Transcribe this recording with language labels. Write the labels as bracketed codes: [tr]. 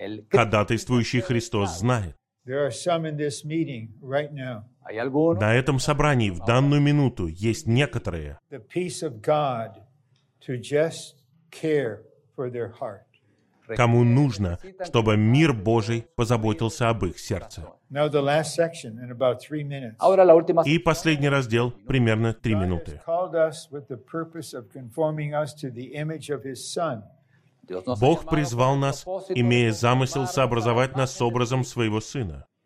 [ru] Ходатайствующий Христос знает. [en] There are some in this meeting right now. [ru] На этом собрании в данную минуту есть некоторые. [en] The peace of God to just care for their heart. [ru] Кому нужно, чтобы мир Божий позаботился об их сердце. [en] Now the last section in about 3 minutes. [ru] И последний раздел примерно 3 минуты. [en] God has called us with the purpose of conforming us to the image of His Son. [ru] Бог призвал нас, имея замысел сообразовать нас с образом Своего Сына.